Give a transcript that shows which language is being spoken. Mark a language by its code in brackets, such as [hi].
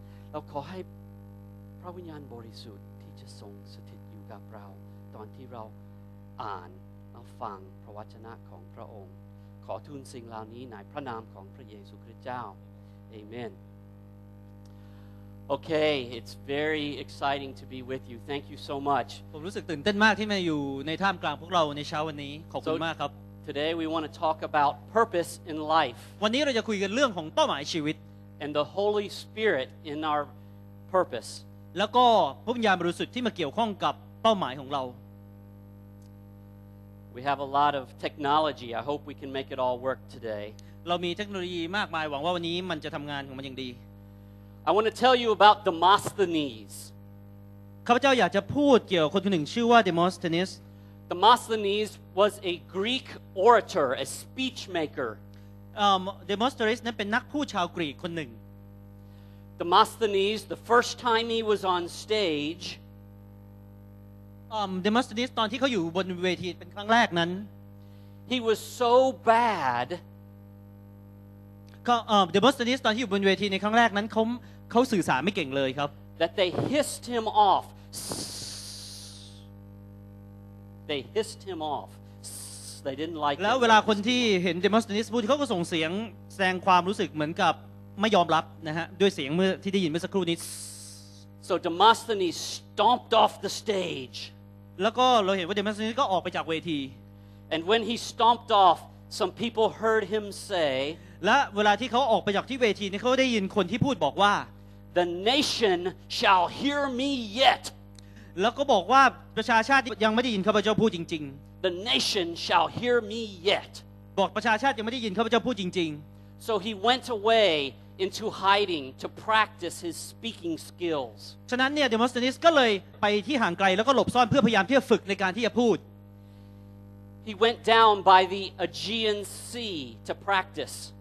[th] เราขอให้พระวิญญาณบริสุทธิ์ที่จะทรงสถิตอยู่กับเราตอนที่เราอ่านเราฟังพระวจนะของพระองค์ขอทูลสิ่งเหล่านี้ในพระนามของพระเยซูคริสต์เจ้าเอเมน [en] Okay, it's very exciting to be with you. Thank you so much. [th] ผมรู้สึกตื่นเต้นมากที่มาอยู่ในท่ามกลางพวกเราในเช้าวันนี้ขอบคุณมากครับ [en] Today we want to talk about purpose in life. [th] วันนี้เราจะคุยกันเรื่องของเป้าหมายชีวิต [en] And the Holy Spirit in our purpose. [th] แล้วก็พระวิญญาณบริสุทธิ์ที่มาเกี่ยวข้องกับเป้าหมายของเรา [en] We have a lot of technology. I hope we can make it all work today. [th] เรามีเทคโนโลยีมากมายหวังว่าวันนี้มันจะทำงานของมันอย่างดี [en] I want to tell you about Demosthenes. [th] ข้าพเจ้าอยากจะพูดเกี่ยวกับคนหนึ่งชื่อว่า Demosthenes. [en] Demosthenes was a Greek orator, a speech maker. [th] Demosthenes นั้นเป็นนักพูดชาวกรีกคนหนึ่ง. [en] Demosthenes, the first time he was on stage. [th] Demosthenes ตอนที่เขาอยู่บนเวทีเป็นครั้งแรกนั้น. [en] He was so bad. [th] Demosthenes ตอนที่อยู่บนเวทีในครั้งแรกนั้นเขาสื่อสารไม่เก่งเลยครับ [en] That they hissed him off They hissed him off They didn't like [th] แล้วเวลาคนที่เห็น Demosthenes พูดเขาก็ส่งเสียงแสดงความรู้สึกเหมือนกับไม่ยอมรับนะฮะด้วยเสียงเมื่อที่ได้ยินเมื่อสักครู่นี้ [en] So Demosthenes stomped off the stage [th] แล้วก็เราเห็นว่า Demosthenes ก็ออกไปจากเวที [en] And when he stomped off some people heard him say [th] และเวลาที่เขาออกไปจากที่เวทีนี่เขาได้ยินคนที่พูดบอกว่า [en] The nation shall hear me yet [th] แล้วก็บอกว่าประชาชาติยังไม่ได้ยินข้าพเจ้าพูดจริง [en] ๆ The nation shall hear me yet [th] บอกประชาชาติยังไม่ได้ยินข้าพเจ้าพูดจริง [en] ๆ So he went away into hiding to practice his speaking skills [th] ฉะนั้นเนี่ย Demosthenes ก็เลยไปที่ห่างไกลแล้วก็หลบซ่อนเพื่อพยายามที่จะฝึกในการที่จะพูด [en] He went down by the Aegean Sea to practice.